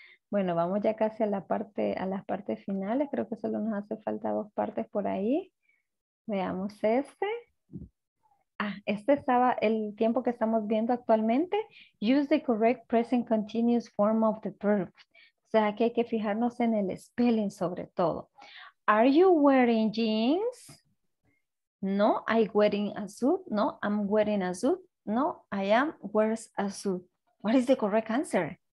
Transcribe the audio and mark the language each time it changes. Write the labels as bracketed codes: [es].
[es] Bueno, vamos ya casi a las partes finales. Creo que solo nos hace falta dos partes por ahí. Veamos este. Este estaba el tiempo que estamos viendo actualmente. [en] Use the correct present continuous form of the verb. [es] O sea, aquí hay que fijarnos en el spelling sobre todo. [en] Are you wearing jeans? No, I'm wearing a suit. No, I'm wearing a suit. No, I am wears a suit. What is the correct answer?